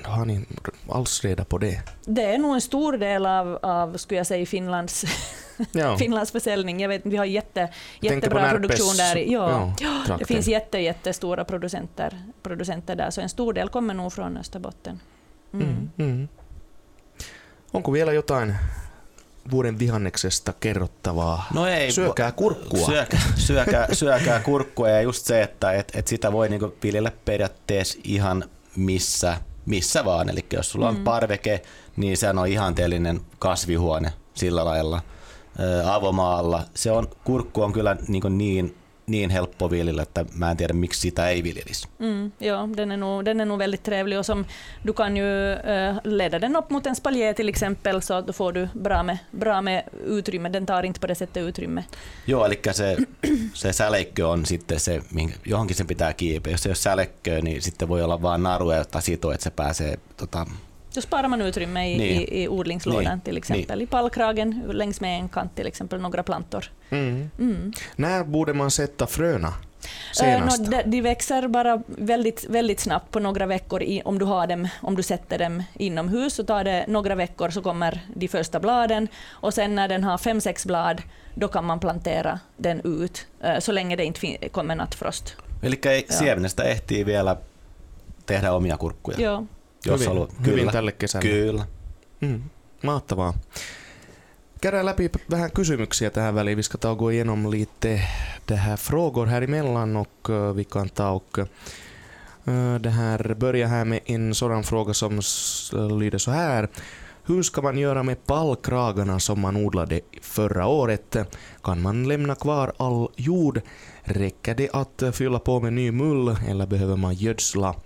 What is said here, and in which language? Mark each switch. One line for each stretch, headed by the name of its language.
Swedish: Har ni alls reda på det? Det är nog en stor del av skulle jag säga, Finlands, Finlands försäljning. Jag vet, vi har jättebra produktion där. Det finns jättestora producenter där. Så en stor del kommer nog från Österbotten.
Finnish: Onko vielä jotain vuoden vihanneksesta kerrottavaa? No ei, syökää kurkkua. Syökää kurkkua, ja just se, että sitä voi niinku viljellä periaatteessa ihan missä missä vaan. Eli jos sulla on parveke, niin se on ihanteellinen kasvihuone sillä lailla avomaalla. Se on, kurkku on kyllä niin, niin, niin helppo viljellä, että mä en tiedä miksi sitä ei viljelisi.
Swedish: Joo, den är nog väldigt trevlig och som du kan ju leda den upp mot en spaljé till exempel så att du får du bra med utrymme. Den tar inte på det sättet utrymme.
Finnish: Joo, eli se säleikkö on sitten se, johonkin sen pitää kiipeä. Jos ei ole säleikköä, niin sitten voi olla vaan narua, jotta sitoo, että se pääsee
Swedish: Jos parman utrymme i odlingslådan niin, till exempel, niin. I pallkragen längs med en kant till exempel, några plantor. När borde man sätta fröna senast? De växer bara väldigt, väldigt snabbt på några veckor om du sätter dem inomhus. Så tar det några veckor så kommer de första bladen och sen när den har 5-6 blad då kan man plantera den ut så länge det inte kommer nattfrost.
Finnish: Elikkä siemenestä ehtii vielä tehdä omia kurkkuja. Joo. Jos haluat. Hyvin tälle kesälle. Kyllä. Mahtavaa. Käydään läpi vähän kysymyksiä tähän väliin.
Swedish: Vi ska ta gå igenom lite det här frågor här emellan och vi kan ta och det här börja här med en sådan fråga som lyder så här. Hur ska man göra med pallkragarna som man odlade förra året? Kan man lämna kvar all jord? Räcker det att fylla på med ny mull eller behöver man gödsla?